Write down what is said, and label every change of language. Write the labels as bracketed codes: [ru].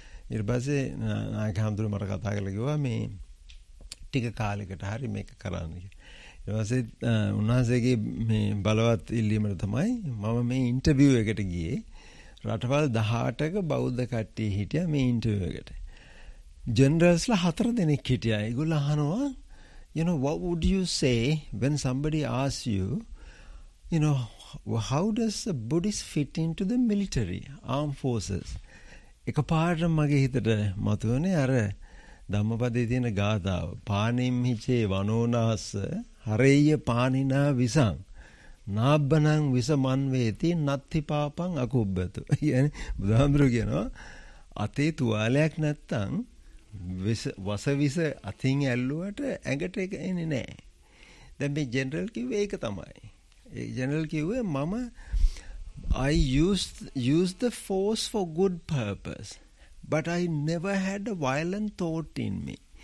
[si] ඊට පස්සේ නායක හාමුදුරුවෝ මට කතා කරලා කිව්වා මේ ටික කාලෙකට හරි මේක කරන්න කියලා. ඊවසේ උන්වහන්සේගේ මේ බලවත් ඉල්ලීමට තමයි මම මේ ඉන්ටර්විව් එකට ගියේ. රටවල් 18ක බෞද්ධ කට්ටිය හිටියා මේ ඉන්ටර්විව් එකට. ජෙනරල්ස්ලා 4 දෙනෙක් හිටියා. [en] ඒගොල්ලෝ අහනවා, you know, what would you say when somebody asks you, you know, how does a Buddhist fit into the military, armed forces? [si] එකපාරට මගේ හිතට මතුවනේ අර ධම්මපදයේ තියෙන ගාථාව, [pi] පානින් හිචේ වනෝනාස හරේය පානිනා විසං නාබ්බනං විසමන් වේති නත්ති පාපං අකුබ්බතු. [si] කියන්නේ බුදුහාමුදුරු කියනවා අතේ තුවාලයක් නැත්තම් වස විස අතින් ඇල්ලුවට ඇඟට එක එන්නේ නැහැ. දැන් මේ ජෙනරල් කිව්වේ ඒක තමයි. ඒ ජෙනරල් කිව්වේ මම [en] I used the force for good purpose, but I never had a violent thought in me.